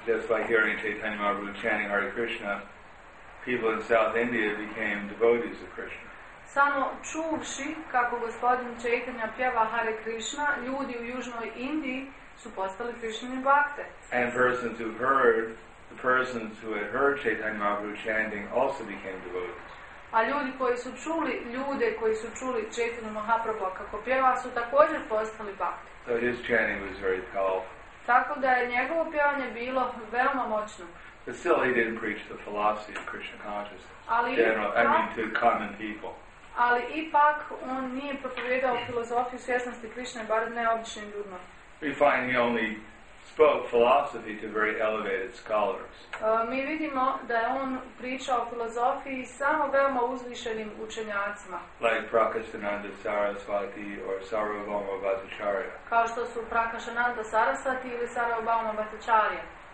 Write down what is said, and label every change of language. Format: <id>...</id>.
<en>Just like hearing Chaitanya Mahaprabhu chanting Hare Krishna, people in South India became devotees of Krishna.</en> <bs>Samo čuvši kako gospodin Chaitanya pjeva Hare Krishna, ljudi u južnoj Indiji su postali Krishnine bhakte.</bs> <en>And persons who heard, the persons who had heard Chaitanya Mahaprabhu chanting also became devotees.</en> <bs>A ljudi koji su čuli, ljude koji su čuli Chaitanya Mahaprabhu kako pjeva su također postali bhakte.</bs> <en>So his chanting was very powerful.</en> <bs>Tako da je njegovo pjevanje bilo veoma moćno.</bs> <en>But still he didn't preach the philosophy of Krishna consciousness. To common people.</en> <bs>Ali ipak on nije propovjedao filozofiju svjesnosti Krišne, bar ne običnim ljudima.</bs> <en>We find he only spoke philosophy to very elevated scholars.</en> <bs>Mi vidimo da je on pričao o filozofiji samo veoma uzvišenim učenjacima.</bs> <en>Like Prakashananda Sarasvati or Sarvabhauma Bhattacharya.</en> <bs>Kao što su Prakashananda Sarasvati ili Sarvabhauma Bhattacharya.</bs>